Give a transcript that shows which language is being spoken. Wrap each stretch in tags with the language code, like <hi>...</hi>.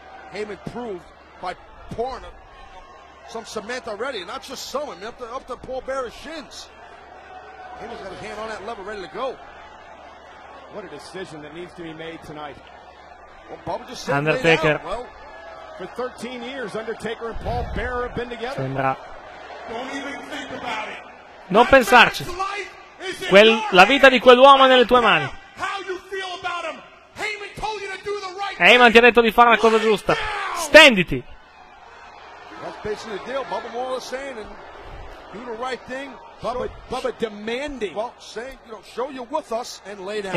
<en>Heyman proved by pouring some cement already, not just some, up to Paul Bearer's shins. Heyman's got his hand on that lever, ready to go. What a decision that needs to be made tonight. Well, Bubba just said, Undertaker. Well, for 13 years, Undertaker and Paul Bearer have been together.</en> <it>Sembra.</it> <en>Don't even think about it.</en> <it>Non pensarci. La vita di quell'uomo è nelle tue mani. Heyman ti ha detto di fare la cosa giusta. Stenditi.</it> <en>That's basically the deal. Bubba Moore is saying and do the right thing. Bubba demanding. Well, saying, you know, show you with us and lay down.</en>